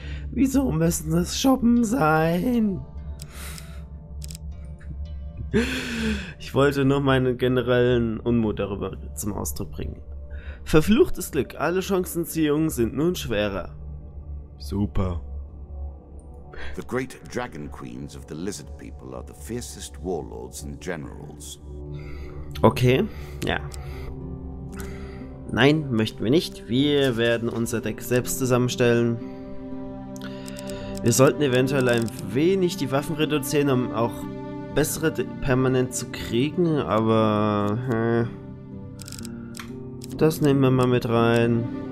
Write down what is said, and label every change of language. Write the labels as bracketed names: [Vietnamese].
[German] Wieso müssen es Schuppen sein? Ich wollte nur meinen generellen Unmut darüber zum Ausdruck bringen. Verfluchtes Glück, alle Chancenziehungen sind nun schwerer. Super. [English] The great dragon queens of the lizard people are the fiercest warlords and generals. [German] Okay, ja. Nein, möchten wir nicht. Wir werden unser Deck selbst zusammenstellen. Wir sollten eventuell ein wenig die Waffen reduzieren, um auch bessere permanent zu kriegen, aber das nehmen wir mal mit rein.